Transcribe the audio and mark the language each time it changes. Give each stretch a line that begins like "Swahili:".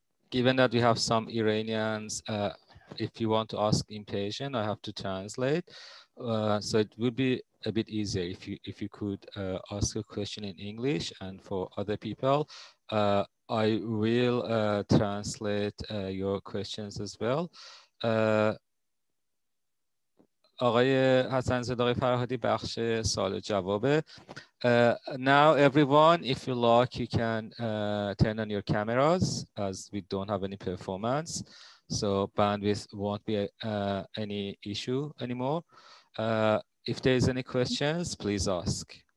English: given that we have some Iranians, if you want to ask in Persian, I have to translate. So it would be a bit easier if you could ask a question in English, and for other people, I will translate your questions as well.
Persian: آقای حسنزاده آقای فرهادی بخش سوال و جوابه.
English: Now everyone, if you like, you can turn on your cameras as we don't have any performance. So bandwidth won't be any issue anymore. If there's any questions, please ask.